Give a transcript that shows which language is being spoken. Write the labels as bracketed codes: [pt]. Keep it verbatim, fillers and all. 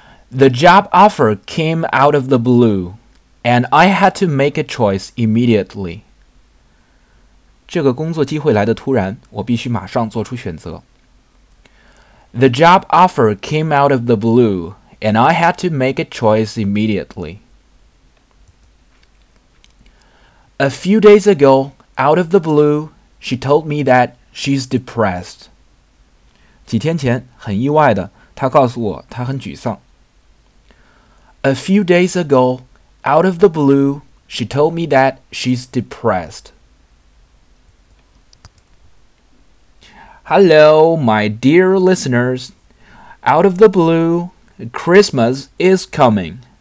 [en] The job offer came out of the blue, and I had to make a choice immediately. [zh] 这个工作机会来得突然，我必须马上做出选择。 [en] The job offer came out of the blue, and I had to make a choice immediately. A few days ago, out of the blue, she told me that she's depressed. [zh] 几天前，很意外的，他告诉我他很沮丧。 [en] A few days ago, out of the blue, she told me that she's depressed. Hello, my dear listeners. Out of the blue, Christmas is coming.